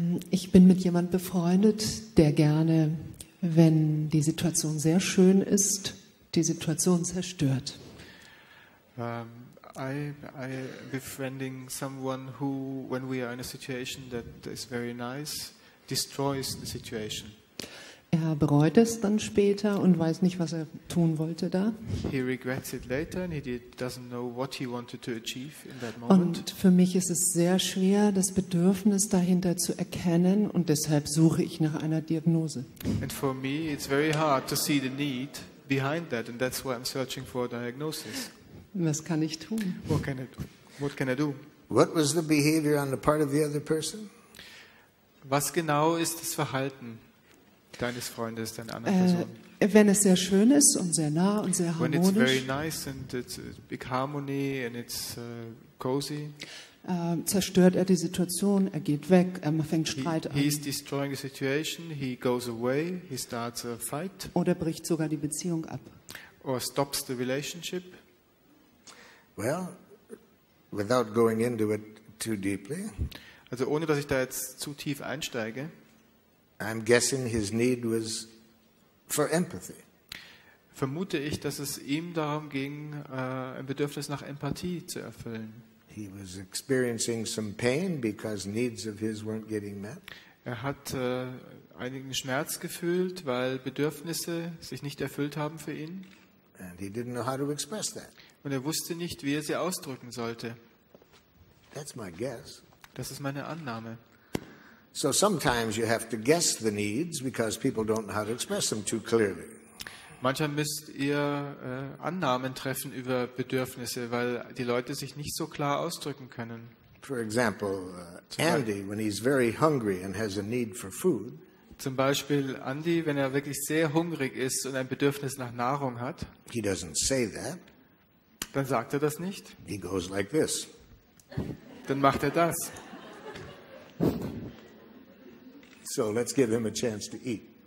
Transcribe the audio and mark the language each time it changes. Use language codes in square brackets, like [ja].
[de] Ich bin mit jemand befreundet, der gerne, wenn die Situation sehr schön ist, die Situation zerstört. [en] I befriending someone who, when we are in a situation that is very nice, destroys the situation. [de] Er bereut es dann später und weiß nicht, was er tun wollte da. [en] He regrets it later and he doesn't know what he wanted to achieve in that moment. [de] Und für mich ist es sehr schwer, das Bedürfnis dahinter zu erkennen, und deshalb suche ich nach einer Diagnose. [en] And for me it's very hard to see the need behind that, and that's why I'm searching for a diagnosis. [de] Was kann ich tun? [en] What can I do? What was the behavior on the part of the other person? [de] Was genau ist das Verhalten deines Freundes, deiner anderen Person? Wenn es sehr schön ist und sehr nah und sehr harmonisch. [en] When it's very nice and it's big harmony and it's cozy. [de] Zerstört er die Situation, er geht weg, er fängt Streit an. [en] He's destroying the situation, he goes away, he starts a fight. [de] Oder bricht sogar die Beziehung ab. [en] Or stops the relationship. Well, without going into it too deeply. [de] Also ohne dass ich da jetzt zu tief einsteige. [en] I'm guessing his need was for empathy. [de] Vermute ich, dass es ihm darum ging, ein Bedürfnis nach Empathie zu erfüllen. [en] He was experiencing some pain because needs of his weren't getting met. [de] Er hat einigen Schmerz gefühlt, weil Bedürfnisse sich nicht erfüllt haben für ihn. [en] And he didn't know how to express that. [de] Und er wusste nicht, wie er sie ausdrücken sollte. [en] That's my guess. [de] Das ist meine Annahme. [en] So sometimes you have to guess the needs because people don't know how to express them too clearly. [de] Manchmal müsst ihr Annahmen treffen über Bedürfnisse, weil die Leute sich nicht so klar ausdrücken können. [en] For example, Andy, when he's very hungry and has a need for food. [de] Zum Beispiel Andy, wenn er wirklich sehr hungrig ist und ein Bedürfnis nach Nahrung hat. [en] He doesn't say that. [de] Dann sagt er das nicht. [en] He goes like this. [de] Dann macht er das. [en] So let's give him a chance to eat.